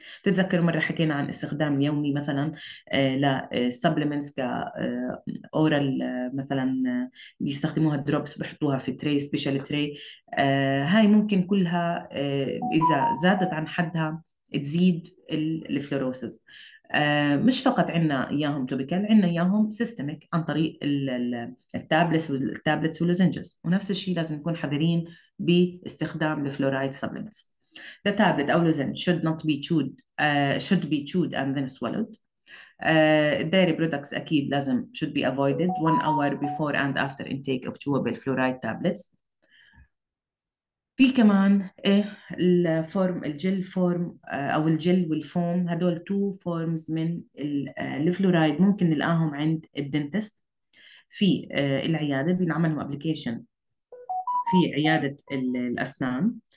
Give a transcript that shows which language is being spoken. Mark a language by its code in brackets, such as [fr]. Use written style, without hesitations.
[ar] تتذكروا مرة حكينا عن استخدام يومي مثلا لسبلمنتس ك اورال، مثلا بيستخدموها الدروبس بحطوها في تري سبيشال تري، هاي ممكن كلها اذا زادت عن حدها تزيد الفلوروسز. مش فقط عندنا اياهم توبيكال، عندنا اياهم سيستميك عن طريق التابلتس واللوزنجز، ونفس الشيء لازم نكون حذرين باستخدام الفلورايد سبلمنتس. [en] The tablet or lozenge should not be chewed, should be chewed and then swallowed. Dairy products [ar] اكيد لازم [en] should be avoided 1 hour before and after intake of chewable fluoride tablets. [ar] في كمان الفورم، الجل فورم او الجل والفوم، هدول تو فورمز من الفلورايد ممكن نلقاهم عند الدنتست في العياده، بنعملهم ابلكيشن في عياده الاسنان.